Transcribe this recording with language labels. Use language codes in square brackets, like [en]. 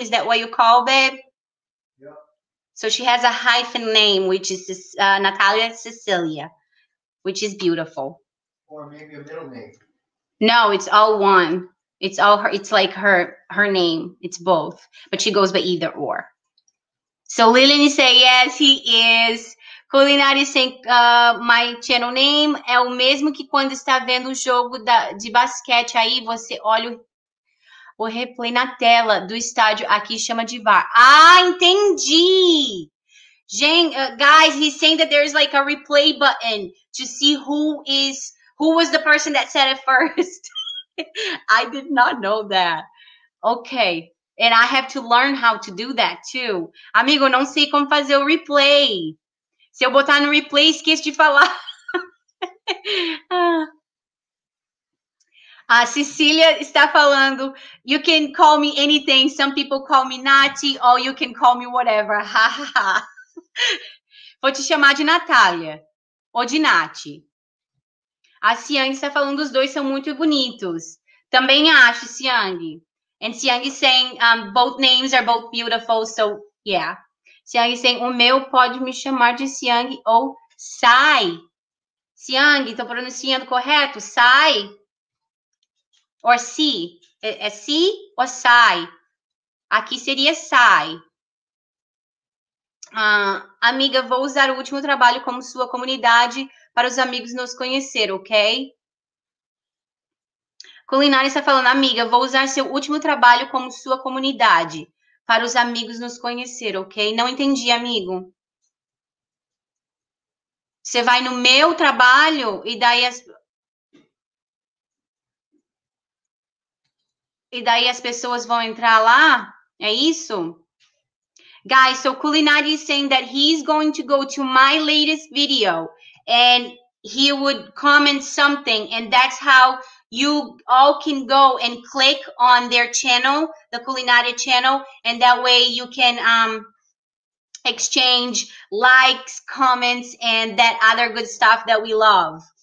[en] Is that what you call, babe? Yeah. So she has a hyphen name, which is Natalia Cecilia, which is beautiful. Or maybe a middle name. No, it's all one. It's all her, it's like her name. It's both. But she goes by either or. So Lilian say, yes, he is. [pt] Culinária [en] say, my channel name [pt] é o mesmo que quando está vendo o jogo de basquete aí, você olha o replay na tela do estádio aqui, chama de VAR. Ah, entendi. [en] Guys, he's saying that there's like a replay button to see who was the person that said it first. I did not know that. Okay. And I have to learn how to do that too. [pt] Amigo, não sei como fazer o replay. Se eu botar no replay, esqueço de falar. A Cecília está falando, [en] you can call me anything. Some people call me Nati, or you can call me whatever. [pt] Vou te chamar de Natália ou de Nati. A Siang está falando, os dois são muito bonitos. Também acho, Siang. [en] And Siang is saying, both names are both beautiful, so yeah. [pt] Siang [en] is saying, [pt] o meu pode me chamar de Siang ou Sai. Siang, estou pronunciando correto? Sai? [en] Or [pt] Si? É Si ou Sai? Aqui seria Sai. Amiga, vou usar o último trabalho como sua comunidade para os amigos nos conhecer, ok? Culinária está falando, amiga, vou usar seu último trabalho como sua comunidade para os amigos nos conhecer, ok? Não entendi, amigo. Você vai no meu trabalho e daí as. E daí as pessoas vão entrar lá? É isso? [en] Guys, so Culinary is saying that he's going to go to my latest video and he would comment something, and that's how you all can go and click on their channel, the Culinary channel, and that way you can exchange likes, comments, and that other good stuff that we love.